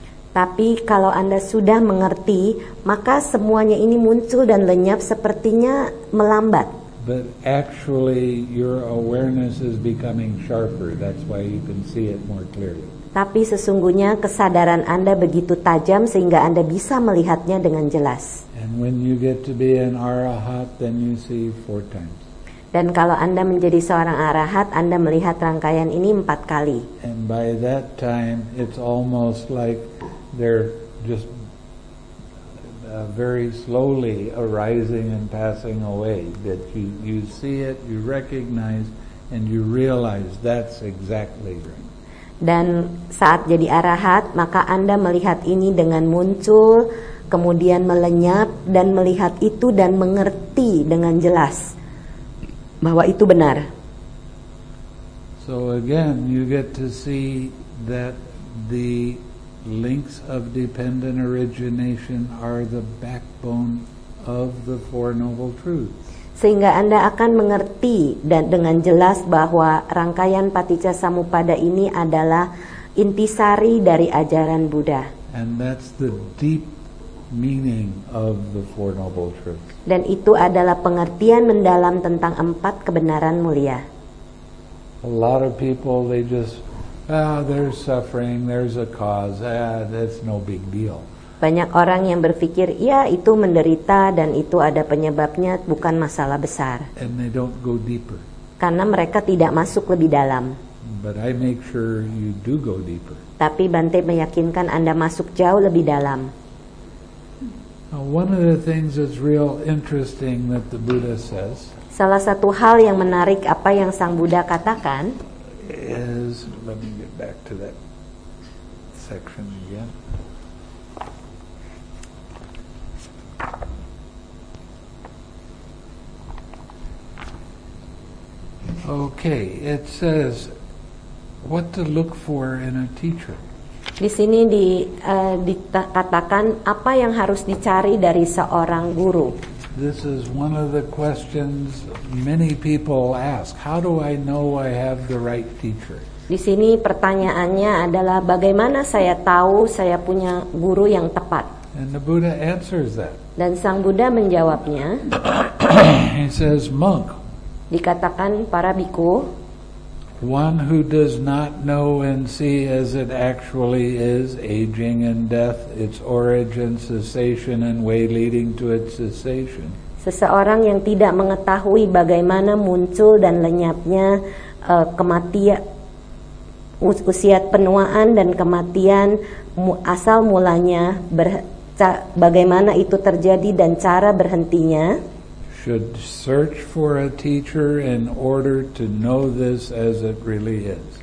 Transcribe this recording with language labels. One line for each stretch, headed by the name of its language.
Indonesian: Tapi kalau Anda sudah mengerti, maka semuanya ini muncul dan lenyap sepertinya melambat.
English: But actually your awareness is becoming sharper. That's why you can see it more clearly.
Indonesian: Tapi sesungguhnya kesadaran Anda begitu tajam sehingga Anda bisa melihatnya dengan jelas.
English: And when you get to be an arahat, then you see four times.
Indonesian: Dan kalau Anda menjadi seorang arahat, Anda melihat rangkaian ini empat kali.
English: And by that time, it's almost like they're just very slowly arising and passing away. That you see it, you recognize, and you realize that's exactly right.
Indonesian: Dan saat jadi arahat, maka Anda melihat ini dengan muncul, kemudian melenyap, dan melihat itu dan mengerti dengan jelas bahwa itu benar.
English: So again, you get to see that the links of dependent origination are the backbone of the Four Noble Truths.
Indonesian: Sehingga Anda akan mengerti dan dengan jelas bahwa rangkaian paticca samuppada ini adalah intisari dari ajaran Buddha.
English: And that's the deep meaning of the Four Noble Truths.
Indonesian: Dan itu adalah pengertian mendalam tentang empat kebenaran mulia.
English: A lot of people, they just, there's suffering, there's a cause, that's no big deal.
Indonesian: Banyak orang yang berpikir, ya itu menderita dan itu ada penyebabnya, bukan masalah besar.
English: And they don't go deeper.
Indonesian: Karena mereka tidak masuk lebih dalam.
English: But I make sure you do go deeper.
Indonesian: Tapi Bante meyakinkan Anda masuk jauh lebih dalam.
English: Now, one of the things that's real interesting that the Buddha says.
Indonesian: Salah satu hal yang menarik apa yang Sang Buddha katakan.
English: Is, let me get back to that section again. Okay, it says what to look for in a teacher.
Indonesian: Di sini dikatakan apa yang harus dicari dari seorang guru.
English: This is one of the questions many people ask. How do I know I have the right teacher?
Indonesian: Di sini pertanyaannya adalah bagaimana saya tahu saya punya guru yang tepat?
English: And the Buddha answers that.
Indonesian: Dan Sang Buddha menjawabnya.
English: He says, monk.
Indonesian: Dikatakan para bhikkhu,
English: One who does not know and see as it actually is, aging and death, its origin, cessation, and way leading to its cessation.
Indonesian: Seseorang yang tidak mengetahui bagaimana muncul dan lenyapnya kematian, usia penuaan dan kematian, asal mulanya, bagaimana itu terjadi dan cara berhentinya.
English: Should search for a teacher in order to know this as it really is.